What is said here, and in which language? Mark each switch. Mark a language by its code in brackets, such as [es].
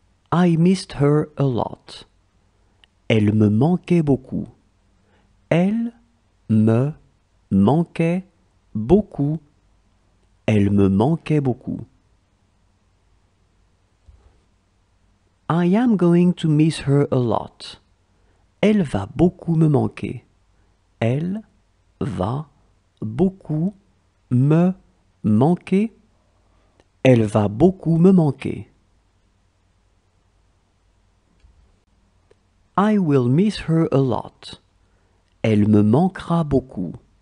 [en] I missed her a lot. [fr] Elle me manquait beaucoup. Elle me manquait beaucoup. Elle me manquait beaucoup. [en] I am going to miss her a lot. [fr] Elle va beaucoup me manquer. Elle va beaucoup me manquer. Elle va beaucoup me manquer. [en] I will miss her a lot. [fr] Elle me manquera beaucoup.